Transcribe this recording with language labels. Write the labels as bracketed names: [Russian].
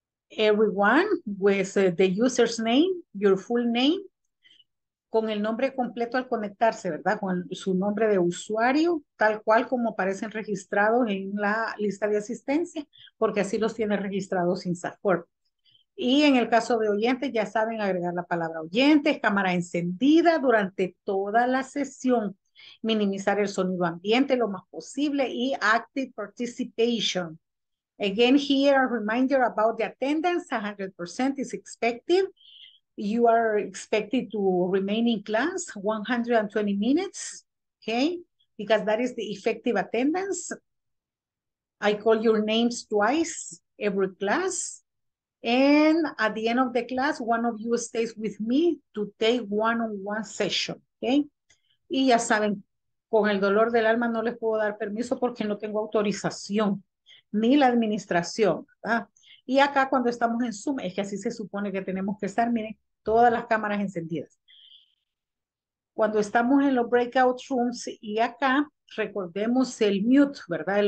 [English] Everyone with the user's name, your full name, [Spanish] con el nombre completo al conectarse, ¿verdad? Con su nombre de usuario, tal cual como aparecen registrados en la lista de asistencia, porque así los tiene registrados en SACORP. Y en el caso de oyentes, ya saben agregar la palabra oyentes, cámara encendida durante toda la sesión, minimizar el sonido ambiente lo más posible y [English] active participation. Again, here a reminder about the attendance, 100% is expected. You are expected to remain in class 120 minutes, okay? Because that is the effective attendance. I call your names twice every class. And at the end of the class, one of you stays with me to take one-on-one session, okay? [Spanish] Y ya saben, con el dolor del alma no les puedo dar permiso porque no tengo autorización, ni la administración, ¿verdad? Y acá cuando estamos en Zoom, es que así se supone que tenemos que estar, miren, todas las cámaras encendidas. Cuando estamos en los breakout rooms y acá, recordemos el mute, ¿verdad?